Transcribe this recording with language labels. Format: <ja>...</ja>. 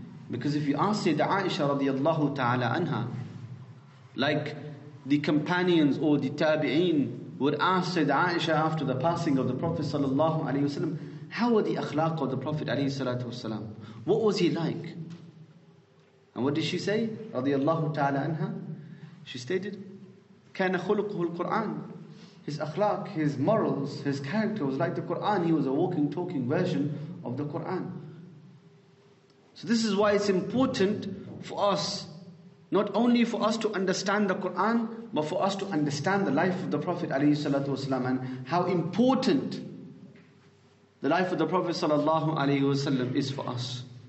<en>Because if you ask Sayyida Aisha radiallahu ta'ala anha, like the companions or the tabi'een would ask Sayyida Aisha after the passing of the Prophet sallallahu alayhi wa sallam, how were the akhlaq of the Prophet alayhi salatu wa sallam? What was he like? And what did she say radiallahu ta'ala anha? She stated,</en> <ar>كان خلقه القرآن.</ar> <en>His akhlaq, his morals, his character was like the Qur'an. He was a walking, talking version of the Qur'an. So this is why it's important for us, not only for us to understand the Qur'an, but for us to understand the life of the Prophet alayhi salatu wasalam, and how important the life of the Prophet sallallahu alayhi wasalam is for us.</en>